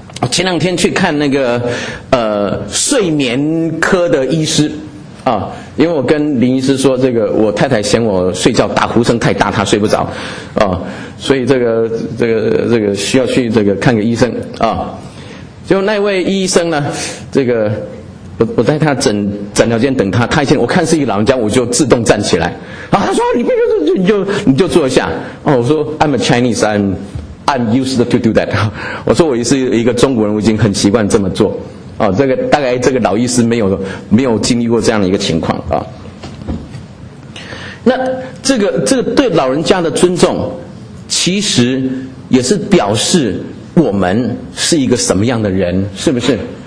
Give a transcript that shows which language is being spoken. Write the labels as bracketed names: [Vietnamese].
[Chinese] 前两天去看那个睡眠科的医师啊，因为我跟林医师说，这个我太太嫌我睡觉打呼声太大，她睡不着啊，所以这个需要去这个看个医生啊。就那位医生呢，这个我在他诊疗间等他，他一见我看是一个老人家，我就自动站起来啊。他说你就坐下哦。我说 [English] I'm a Chinese, I'm used to do that。 [Chinese] 我说我是一个中国人，我已经很习惯这么做哦。这个大概这个老医师没有经历过这样的一个情况啊。那这个对老人家的尊重，其实也是表示我们是一个什么样的人，是不是？